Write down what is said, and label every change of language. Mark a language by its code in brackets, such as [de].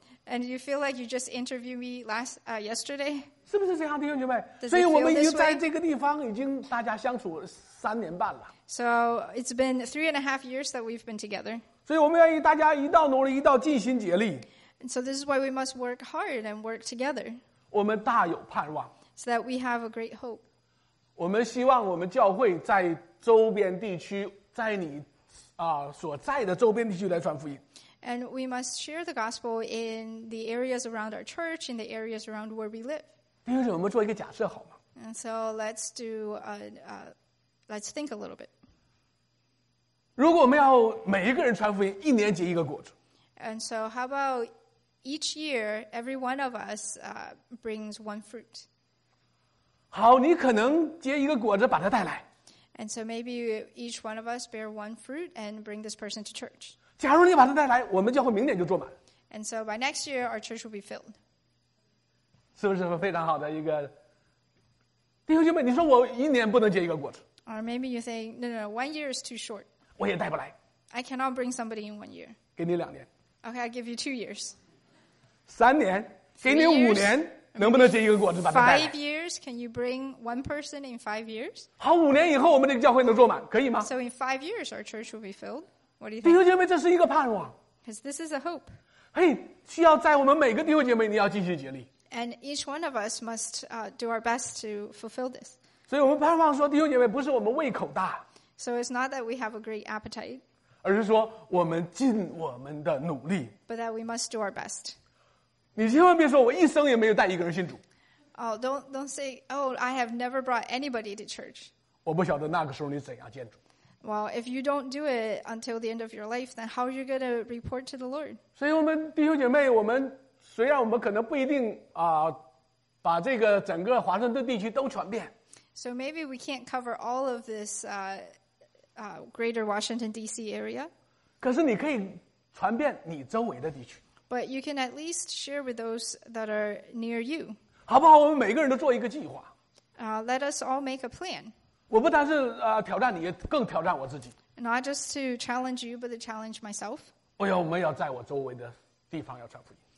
[en] And you feel like you just interviewed me last, yesterday? [zh] 是不是这样的弟兄姐妹？ [en] Does it feel this way? [zh] 所以我们已经在这个地方已经大家相处三年半了。 [en] So it's been 3.5 years that we've been together. [zh] 所以我们愿意大家一道努力，一道尽心竭力。 [en] And so this is why we must work hard and work together. [zh] 我们大有盼望。 [en] So that we have a great hope. [zh] 我们希望我们教会在周边地区，在你所在的周边地区来传福音。 [en] And we must share the gospel in the areas around our church, in the areas around where we live. [zh] 弟兄姐妹，我们做一个假设好吗？ [en] And so let's do let's think a little bit. [zh] 如果我们要每一个人传福音，一年结一个果子。 [en] And so how about each year, every one of us brings one fruit. [zh] 好，你可能结一个果子，把它带来。 [en] And so maybe each one of us bear one fruit and bring this person to church. [zh] 假如你把它带来，我们教会明年就坐满。 [en] And so by next year, our church will be filled. [zh] 是不是非常好的一个弟兄姐妹？你说我一年不能结一个果子。 [en] Or maybe you say, no, one year is too short. [zh] 我也带不来。 [en] I cannot bring somebody in one year. [zh] 给你两年。 [en] Okay, I'll give you 2 years. [zh] 三年，给你五年。能不能结一个果子把它带来 [en] 5 years, can you bring one person in 5 years? [zh] 好，五年以后我们这个教会能坐满，可以吗？ [en] So in 5 years, our church will be filled. What do you think? [zh] 弟兄姐妹，这是一个盼望。 [en] Because this is a hope. [zh] 嘿，需要在我们每个弟兄姐妹，你要尽心竭力。 [en] And each one of us must do our best to fulfill this. [zh] 所以我们盼望说，弟兄姐妹，不是我们胃口大。 [en] So it's not that we have a great appetite. [zh] 而是说我们尽我们的努力。 [en] But that we must do our best. [zh] 你千万别说我一生也没有带一个人信主。 [en] Oh, don't say, oh, I have never brought anybody to church. [zh] 我不晓得那个时候你怎样见主。 [en] Well, if you don't do it until the end of your life, then how are you going to report to the Lord? [zh] 所以我们弟兄姐妹，我们虽然我们可能不一定把这个整个华盛顿地区都传遍。 [en] So maybe we can't cover all of this greater Washington D.C. area. [zh] 可是你可以传遍你周围的地区。 [en] But you can at least share with those that are near you. [zh] 好不好？我们每个人都做一个计划。 [en] Let us all make a plan. [zh] 我不但是挑战你，更挑战我自己。 [en] Not just to challenge you, but to challenge myself. [zh] 我们要在我周围的地方要传福音。